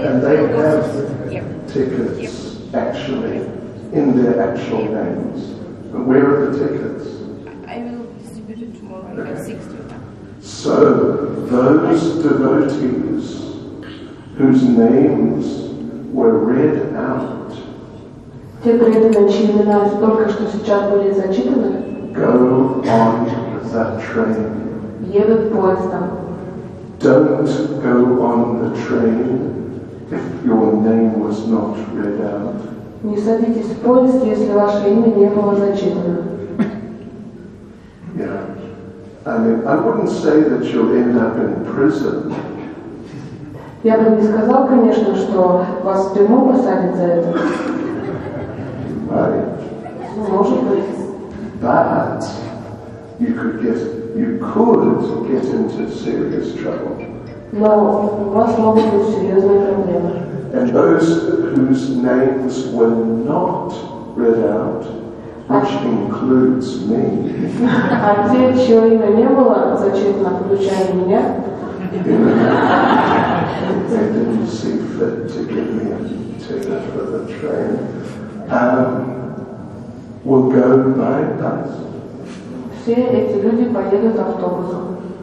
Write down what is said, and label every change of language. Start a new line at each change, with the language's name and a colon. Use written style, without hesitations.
English: they and they have tickets actually in their actual names. But where are the tickets? I will distribute it tomorrow. Okay. I have 60 of them. So those devotees whose names were read out.
Russian: Те, кто это начали, только что сейчас были зачитаны.
English: Go on the train.
Russian: Едут поездом.
English: Don't go on the train if your name was not read out.
Russian: Не садитесь в поезд, если ваше имя не было зачитано.
English: Yeah. I mean, I wouldn't say that you'll end up in prison.
Russian: Я бы не сказал, конечно, что вас в тюрьму посадят за это.
English: Right.
Russian: Может быть.
English: But you could get into serious trouble.
Russian: Но у вас могут быть серьезные проблемы.
English: And those whose names were not read out, which includes me.
Russian: А те, чье имя не было зачитано, включая меня.
English: They didn't see fit to give me a ticket for the train. We'll go by bus.
Russian: Все эти люди поедут автобусом.